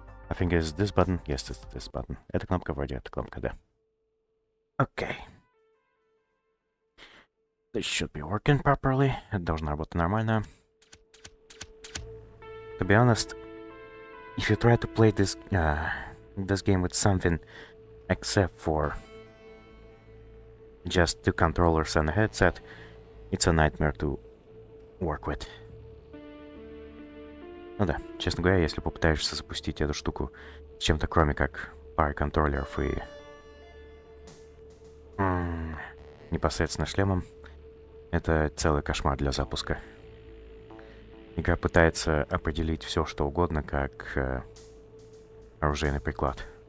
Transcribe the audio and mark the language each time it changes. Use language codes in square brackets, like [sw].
[en] I think it's this button. Yes, it's this button. [ru] Эта кнопка вроде, эта кнопка, да. Окей. [en] This should be working properly. [ru] Это должно работать нормально. [en] To be honest, if you try to play this this game with something except for just two controllers and a headset, it's a nightmare to work with. [ru] Ну да, честно говоря, если попытаешься запустить эту штуку с чем-то кроме как пары контроллеров и непосредственно шлемом, это целый кошмар для запуска. Игра пытается определить все, что угодно, как оружейный приклад.